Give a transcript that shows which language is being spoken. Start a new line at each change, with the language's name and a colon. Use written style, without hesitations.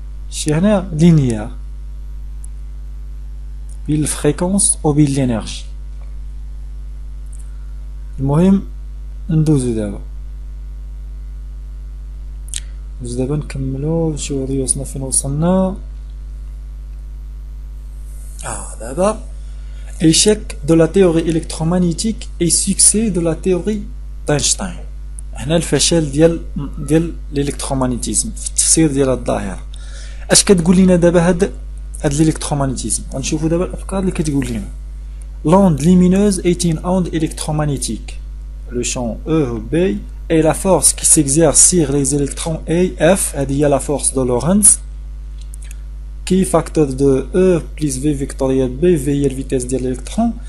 Arabic: شي هنا لينيير بين الفريكونس او بين الانرجي. المهم ندوزو دابا، ندوزو دابا نكملو نشوفو ريوسنا فين وصلنا.
French: دابا échec de la théorie électromagnétique et succès de la théorie d'Einstein.
Arabic: هنا الفشل ديال الالكترومانيتيزم في التفسير ديال الظاهرة. اش كتقول لينا دابا هاد الالكترومانيتيزم؟ غنشوفو دابا الافكار اللي كتقول لينا.
French: L'onde lumineuse est une onde électromagnétique. Le champ E ou B est la force qui s'exerce sur les électrons A, F, et il y a la force de Lorentz, qui est facteur de E plus V vectoriel B, V est la vitesse de l'électron.